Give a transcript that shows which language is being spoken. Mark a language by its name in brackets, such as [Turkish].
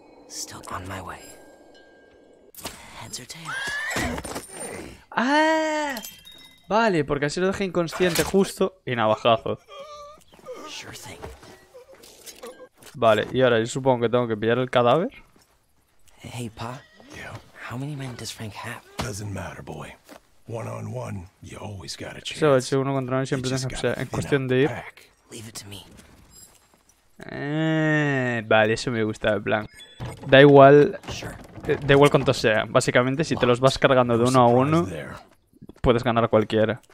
[English] Stuck on my way. Heads or tails. ¡Ah! [Spanish] Vale, porque así lo dejé inconsciente justo y navajazo. [English] Sure thing. [Spanish] Vale, y ahora yo supongo que tengo que pillar el cadáver. [English] Hey, pa. Yeah. How many men does Frank have? Doesn't matter, boy. One on one, you always got a chance. [Spanish] Eso, si uno contra uno siempre tiene, o sea, en cuestión de ir. [English] Leave it to me. [Spanish] Vale, eso me gusta el plan. Da igual. [English] Sure. [Spanish] Da igual cuánto sea. Básicamente, si te los vas cargando de uno a uno, puedes ganar a cualquiera.